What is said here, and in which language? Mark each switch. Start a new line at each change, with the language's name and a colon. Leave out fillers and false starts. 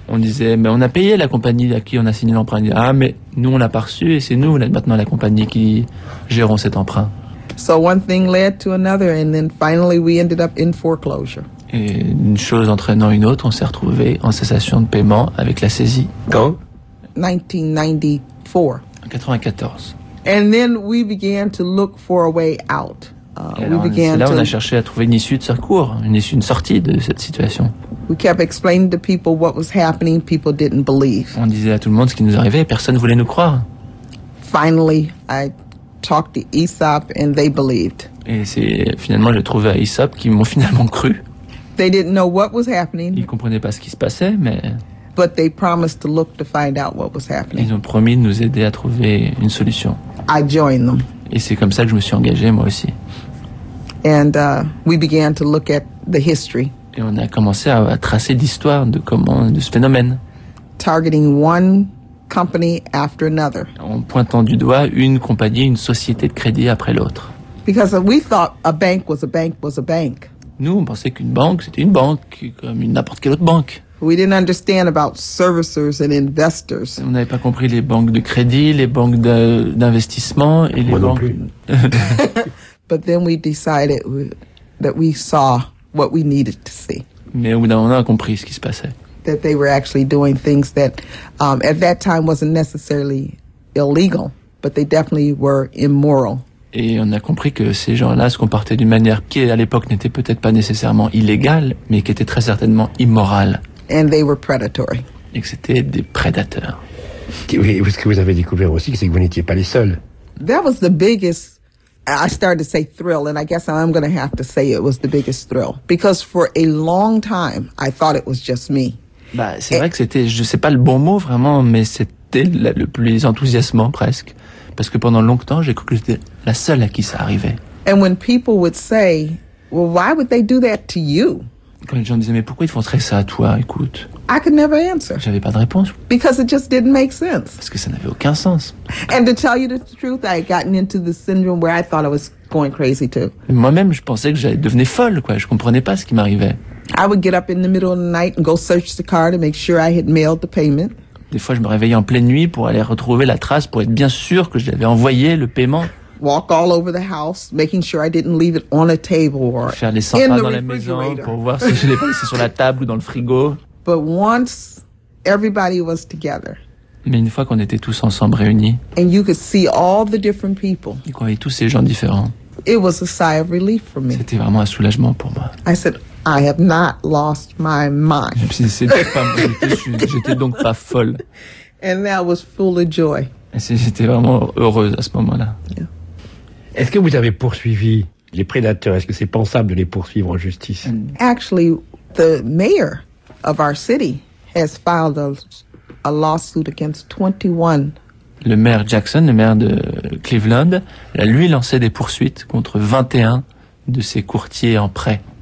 French: On disait, mais on a payé la compagnie à qui on a signé l'emprunt. Ah, mais nous on l'a pas reçu et c'est nous maintenant la compagnie qui gérons cet emprunt.
English: So one thing led to another, and then finally we ended up in foreclosure.
French: Et une chose entraînant une autre, on s'est retrouvé en cessation de paiement avec la saisie. Quand? 1994.
English: And then we began to look for a way out.
French: On a cherché à trouver une issue de secours, une sortie de cette situation.
English: We kept explaining to people what was happening. People didn't believe.
French: On disait à tout le monde ce qui nous arrivait. Personne voulait nous croire.
English: Finally, I talked to Aesop, and they believed.
French: Et c'est finalement j'ai trouvé à Aesop qui m'ont finalement cru.
English: They didn't know what was happening.
French: Ils comprenaient pas ce qui se passait, mais.
English: But they promised to look to find out what was happening.
French: Ils ont promis de nous aider à trouver une solution.
English: I joined them.
French: Et c'est comme ça que je me suis engagé moi aussi.
English: And we began to look at the history.
French: Et on a commencé à tracer l'histoire de comment de ce phénomène.
English: Targeting one company after another.
French: En pointant du doigt une compagnie, une société de crédit après l'autre.
English: Because we thought a bank was a bank was a bank.
French: Nous, on pensait qu'une banque, c'était une banque, comme n'importe quelle autre banque.
English: We didn't understand about servicers and investors.
French: On n'avait pas compris les banques de crédit, les banques d'investissement et les banques.
English: But then we decided that we saw what we needed to see.
French: Mais au bout d'un moment, on a compris ce qui se passait.
English: That they were actually doing things that, at that time, wasn't necessarily illegal, but they definitely were immoral.
French: Et on a compris que ces gens-là se comportaient d'une manière qui, à l'époque, n'était peut-être pas nécessairement illégale, mais qui était très certainement immorale.
English: And they were predatory.
French: Et que c'était des prédateurs. Oui, ce que vous avez découvert aussi, c'est que vous n'étiez pas les seuls.
English: That was the biggest, I started to say thrill, and I guess I'm going to have to say it was the biggest thrill. Because for a long time, I thought it was just me.
French: Vrai que c'était, je ne sais pas le bon mot vraiment, mais c'était le plus enthousiasmant presque. Parce que pendant longtemps, j'ai cru que j'étais la seule à qui ça arrivait.
English: And when people would say, well, why would they do that to you?
French: Quand les gens disaient, mais pourquoi ils feraient ça à toi, écoute?
English: I could never answer.
French: J'avais pas de réponse.
English: Because it just didn't make sense.
French: Parce que ça n'avait aucun sens.
English: And to tell you the truth, I had gotten into the syndrome where I thought I was going crazy too.
French: Moi-même, je pensais que j'allais devenir folle, quoi. Je comprenais pas ce qui m'arrivait.
English: I would get up in the middle of the night and go search the car to make sure I had mailed the payment.
French: Des fois, je me réveillais en pleine nuit pour aller retrouver la trace, pour être bien sûr que j'avais envoyé le paiement.
English: Walk all over the house, making sure I didn't leave it on a table or
French: faire les 100 pas dans la maison pour voir si je l'ai pas laissé sur la table ou dans le frigo.
English: But once everybody was together,
French: mais une fois qu'on était tous ensemble réunis,
English: and you could see all the different people,
French: et qu'on voyait tous ces gens différents,
English: it was a sigh of relief for me.
French: C'était vraiment un soulagement pour moi.
English: I said, I have not lost my mind.
French: J'étais donc pas folle.
English: And that was full of joy.
French: J'étais vraiment heureuse à ce moment-là.
English: Yeah.
French: Est-ce que vous avez poursuivi les prédateurs? Est-ce que c'est pensable de les poursuivre en justice?
English: Actually, the mayor of our city has filed a lawsuit against 21.
French: Le maire Jackson, le maire de Cleveland, a lui lancé des poursuites contre 21 de ses courtiers en prêt.